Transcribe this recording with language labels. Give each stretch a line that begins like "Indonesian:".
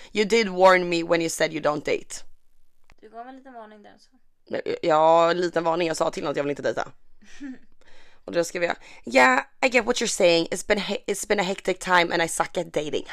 English: You did warn me when you said you don't date.
Swedish: Du gav mig en liten varning där så. Ja, en liten varning. Jag sa till honom att jag vill inte dejta. Och då skrev jag,
English: yeah, I get what you're saying. It's been a hectic time and I suck at dating.